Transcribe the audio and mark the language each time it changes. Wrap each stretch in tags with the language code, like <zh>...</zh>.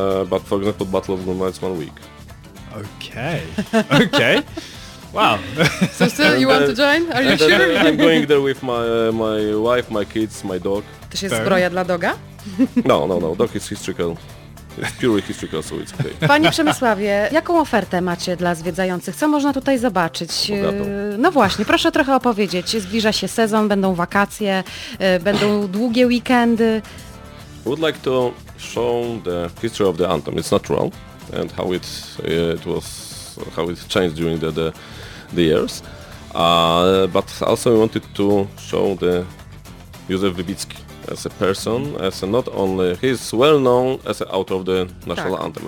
<en>But for example, Battle of Moonlight is 1 week. Okay. Okay. Wow. So still, you want to join? Are you sure? I'm going there with my my wife, my kids, my dog.</en> <pl>To jest zbroja dla doga?</pl> <en>No. Dog is historical. Pure history, so it's okay.</en> <pl>Panie Przemysławie, jaką ofertę macie dla zwiedzających? Co można tutaj zobaczyć? Bogatą. No właśnie, proszę trochę opowiedzieć. Zbliża się sezon, będą wakacje, będą długie weekendy.</pl> <en>I would like to show the history of the anthem. It's natural and how it it was, how it changed during the years. But also I wanted to show the Józef Wybicki. As a person, as a not only, he's well known as an author of the national anthem.</en>